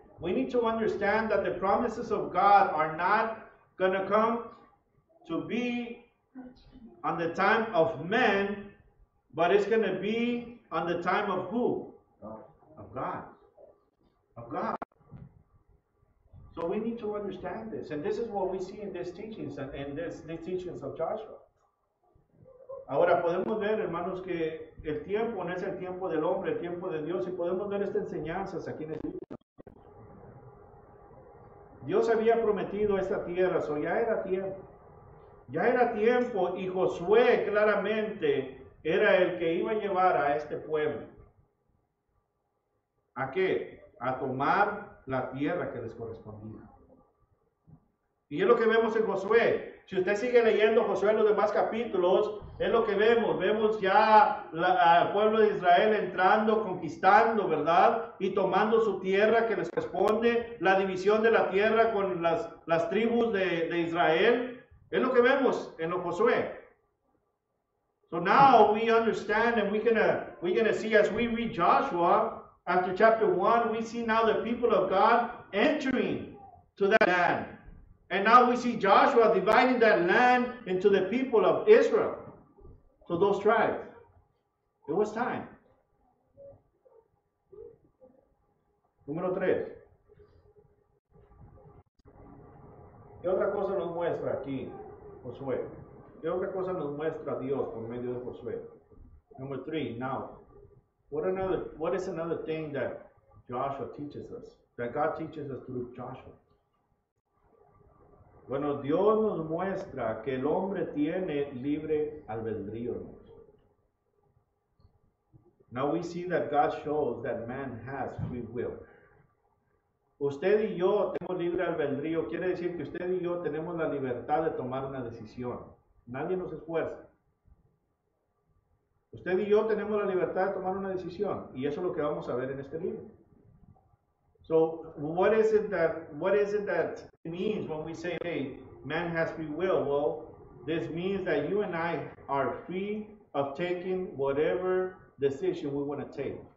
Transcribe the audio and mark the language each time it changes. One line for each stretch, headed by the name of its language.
English: We need to understand that the promises of God are not going to come to be on the time of men, but it's going to be on the time of who? Of God. Of God. So we need to understand this. And this is what we see in these teachings, in these teachings of Joshua.
Spanish: Ahora podemos ver, hermanos, que el tiempo no es el tiempo del hombre, el tiempo de Dios, y podemos ver estas enseñanzas aquí en el libro. Dios había prometido esta tierra, o so ya era tiempo. Ya era tiempo, y Josué claramente era el que iba a llevar a este pueblo. ¿A qué? A tomar la tierra que les correspondía. Y es lo que vemos en Josué. Si usted sigue leyendo Josué en los demás capítulos, es lo que vemos. Vemos ya al pueblo de Israel entrando, conquistando, ¿verdad? Y tomando su tierra que les corresponde, la división de la tierra con las tribus de Israel. Es lo que vemos en lo Josué.
English: So now we understand and we're gonna see as we read Joshua after chapter 1, we see now the people of God entering to that land. And now we see Joshua dividing that land into the people of Israel. So those tribes. It was time.
Spanish: Número 3. ¿Qué otra cosa nos muestra aquí Josué? ¿Qué otra cosa nos muestra Dios por medio de Josué?
English: Number 3. Now, what is another thing that Joshua teaches us? That God teaches us through Joshua?
Spanish: Bueno, Dios nos muestra que el hombre tiene libre albedrío.
English: Now we see that God shows that man has free will.
Spanish: Usted y yo tenemos libre albedrío. Quiere decir que usted y yo tenemos la libertad de tomar una decisión. Nadie nos esfuerza. Usted y yo tenemos la libertad de tomar una decisión. Y eso es lo que vamos a ver en este libro.
English: So, what is it that means when we say, hey, man has free will? Well, this means that you and I are free of taking whatever decision we want to take.